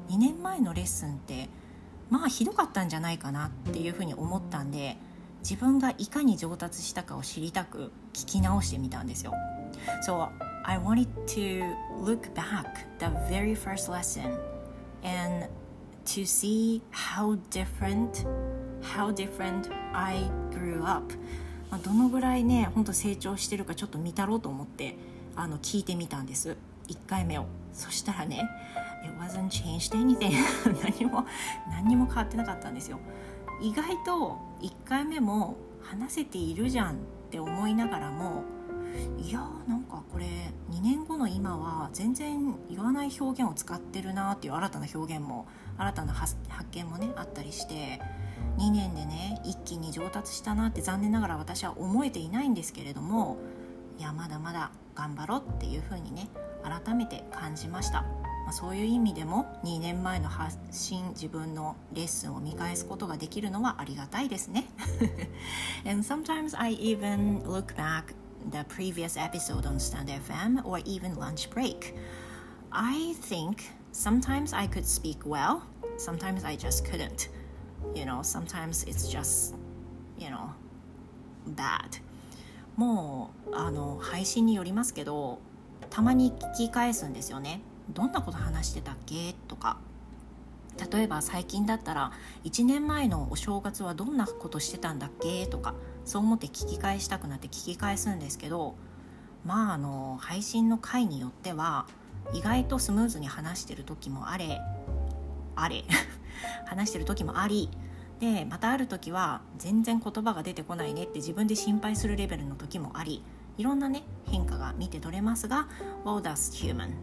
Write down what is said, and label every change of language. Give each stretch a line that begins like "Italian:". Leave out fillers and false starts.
Japanese: 2年前のレッスンって、まあひどかったんじゃないかなっていうふうに思ったんで、自分がいかに上達したかを知りたく聞き直してみたんですよ。
English: So I wanted to look back the very first lesson and to see how different I grew up、
Japanese: まあ、どのぐらいね本当成長してるかちょっと見たろうと思って、あの聞いてみたんです、1回目を。そしたらね、
English: It wasn't changed anything
Japanese: 何も変わってなかったんですよ。意外と1回目も話せているじゃんって思いながらも、いやーなんかこれ2年後の今は全然言わない表現を使ってるなっていう新たな表現も新たな発見もねあったりして、2年でね一気に上達したなって残念ながら私は思えていないんですけれども、いやまだまだ頑張ろうっていう風にね改めて感じました。そういう意味でも2年前の発信、自分のレッスンを見返すことができるのはありがたいですね。
English: And sometimes I even look back the previous episode on Stand FM or even lunch break. I think sometimes I could speak well, sometimes I just couldn't. You know, sometimes it's just, you know, bad.
Japanese: もう配信によりますけど、たまに聞き返すんですよね。どんなこと話してたっけとか、例えば最近だったら1年前のお正月はどんなことしてたんだっけとか、そう思って聞き返したくなって聞き返すんですけど、まあ配信の回によっては意外とスムーズに話してる時もあれ話してる時もありで、またある時は全然言葉が出てこないねって自分で心配するレベルの時もあり、いろんなね変化が見て取れますが、
English: Well, that's human.